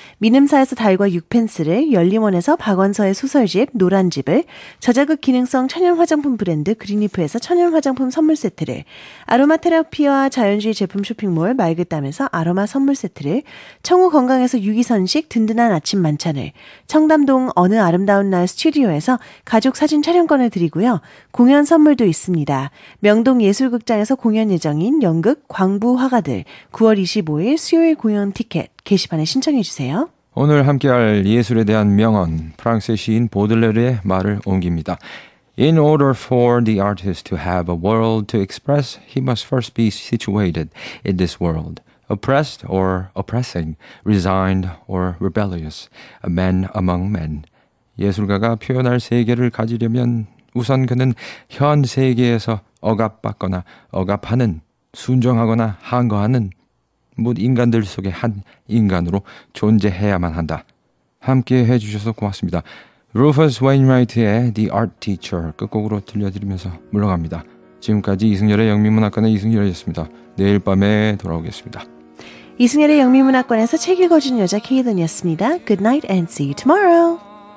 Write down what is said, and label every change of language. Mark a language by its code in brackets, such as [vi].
[ko] 미늠사에서 달과 육펜슬을, 열림원에서 박원서의 소설집 노란집을, 저자극 기능성 천연화장품 브랜드 그린리프에서 천연화장품 선물세트를, 아로마테라피와 자연주의 제품 쇼핑몰 말그땀에서 아로마 선물세트를, 청우건강에서 유기선식 든든한 아침 만찬을, 청담동 어느 아름다운 날 스튜디오에서 가족사진 촬영권을 드리고요. 공연 선물도 있습니다. 명동예술극장에서 공연 예정인 연극, 광 화가들 9월 25일 수요일 공연 티켓 게시판에 신청해 주세요. 오늘 함께할 예술에 대한 명언 프랑스 시인 보들레르의 말을 옮깁니다. [en] In order for the artist to have a world to express, he must first be situated in this world. Oppressed or oppressing, resigned or rebellious, a man among men. [ko] 예술가가 표현할 세계를 가지려면 우선 그는 현 세계에서 억압받거나 억압하는 순종하거나 항거하는 못 인간들 속의 한 인간으로 존재해야만 한다. 함께해 주셔서 고맙습니다. Rufus Wainwright의 The Art Teacher 끝곡으로 들려드리면서 물러갑니다. 지금까지 이승열의 영미문학관의 이승열이었습니다. 내일 밤에 돌아오겠습니다. 이승열의 영미문학관에서 책 읽어주는 여자 케이든이었습니다. [en] Good night and see you tomorrow.